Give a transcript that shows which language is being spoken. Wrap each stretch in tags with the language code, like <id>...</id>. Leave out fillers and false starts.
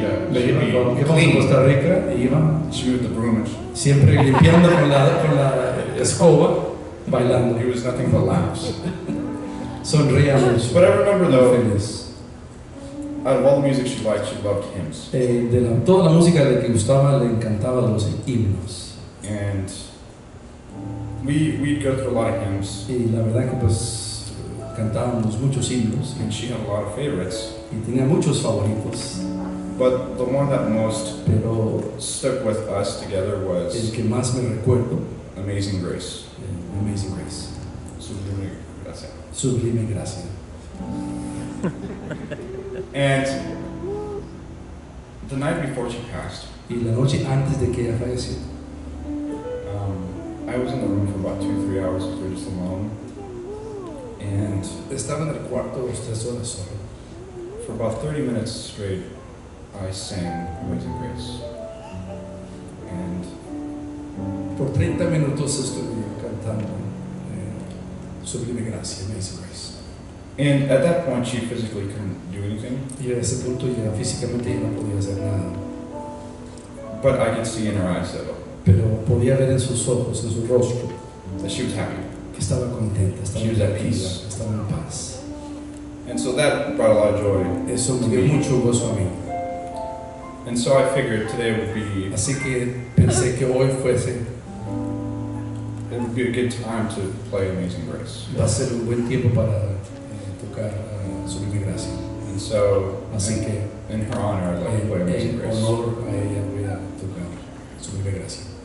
<en>clean.</en> <es>A Costa Rica, iba.</es> <en>She would the broom.</en> <es>Siempre limpiando con la escoba, bailando.</es> <en>It was nothing but laughs.</en> <es>Sonría mucho.</es> <en>But I remember though, out of all the music she liked, she loved hymns.</en> <es>Toda la música que gustaba, le encantaba los himnos.</es> <en>And we'd go through a lot of hymns.</en> <es>Y la verdad que pues cantábamos muchos himnos.</es> <en>And she had a lot of favorites.</en> <es>Y tenía muchos favoritos.</es> <en>But the one that most</en> <es>pero</es> <en>stuck with us together was</en> <es>el que más me recuerdo.</es> <en>Amazing Grace. Amazing Grace.</en> <es>Sublime Gracia. Sublime Gracia.</es> <en>And the night before she passed,</en> <es>y la noche antes de que ella falleció,</es> <en>I was in the room for about 2-3 hours because we were just alone. And</en> <es>estaba en el cuarto, tres horas solo.</es> <en>For about 30 minutes straight, I sang Amazing Grace. And</en> <es>por 30 minutos estuve cantando Sublime Gracia, Amazing Grace.</es> <en>And at that point, she physically couldn't do anything.</en> <es>Y a ese punto ya físicamente ella no podía hacer nada.</es> <en>But I could see in her eyes, though.</en> <es>Pero podía ver en sus ojos, en su rostro,</es> <en>that she was happy.</en> <es>Que estaba contenta. Estaba</es> <en>she was at peace.</en> <es>Estaba en paz.</es> <en>And so that brought a lot of joy.</en> <es>Eso me dio mucho gozo a mí.</es> <en>And so I figured today would be.</en> <es>Así que pensé que hoy fuese.</es> <en>It would be a good time to play Amazing Grace.</en> <es>Va a ser un buen tiempo para tocar Sublime Gracia.</es> <en>And so,</en> <es>así que,</es> <en>in her honor, I'd like to play Amazing Grace.</en> <es>En honor a ella voy a tocar su Viva Gracia.</es>